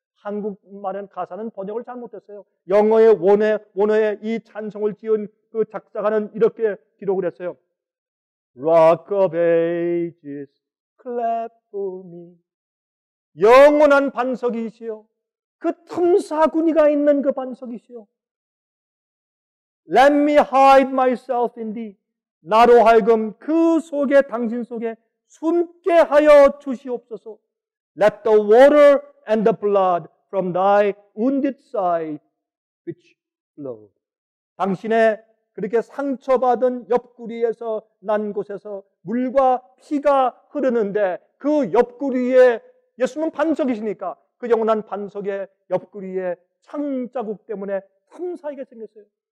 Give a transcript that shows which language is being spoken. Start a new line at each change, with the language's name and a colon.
Korean: 한국말은 가사는 번역을 잘 못했어요. 영어의 원어의 이 찬송을 지은 그 작사가는 이렇게 기록을 했어요.
English: Rock of ages, clap for me.
Korean: 영원한 반석이시요. 그 틈사구니가 있는 그 반석이시요.
English: Let me hide myself in thee.
Korean: 나로 하여금 그 속에 당신 속에 숨게 하여 주시옵소서.
English: Let the water and the blood from thy wounded side which flowed.
Korean: 당신의 그렇게 상처받은 옆구리에서 난 곳에서 물과 피가 흐르는데 그 옆구리에 예수는 반석이시니까 그 영원한 반석의 옆구리에 창자국 때문에 틈 사이가 생겼어요.